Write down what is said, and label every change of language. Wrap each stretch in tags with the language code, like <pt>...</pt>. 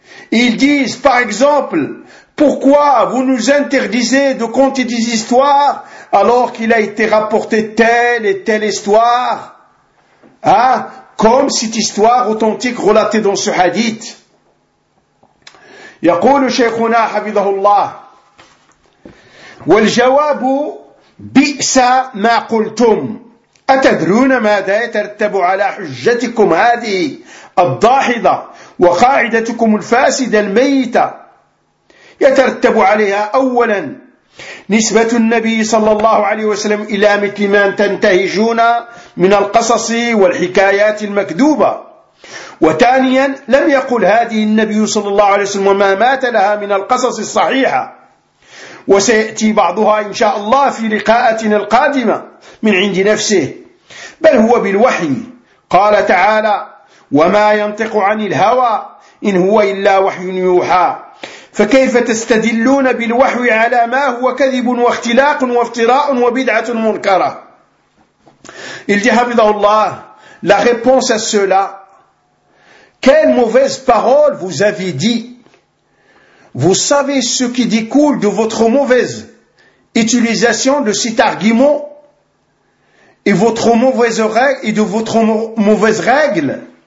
<fr>Ils disent par exemple, pourquoi vous nous interdisez de conter des histoires alors qu'il a été rapporté telle et telle histoire, hein, comme cette histoire authentique relatée dans ce hadith.</fr> <ar>يقول شيخنا حفظه الله والجواب بئس ما قلتم أتدرون ماذا يترتب على حجتكم هذه الضاحضة وقاعدتكم الفاسدة الميتة يترتب عليها أولا نسبة النبي صلى الله عليه وسلم إلى مثل ما تنتهجون من القصص والحكايات المكذوبة وثانيا لم يقل هذه النبي صلى الله عليه وسلم وما مات لها من القصص الصحيحة وسيأتي بعضها إن شاء الله في لقاءتنا القادمة من عند نفسه بل هو بالوحي قال تعالى وما ينطق عن الهوى إن هو إلا وحي يوحى فكيف تستدلون بالوحي على ما هو كذب واختلاق وافتراء وبدعة منكرة.</ar> <fr>Il dit</fr> <ar>حفظه الله</ar> <fr>la réponse à cela: quelle mauvaise parole vous avez dit? Vous savez ce qui découle de votre mauvaise utilisation de cet argument et votre mauvaise règle et de votre mauvaise règle?</fr>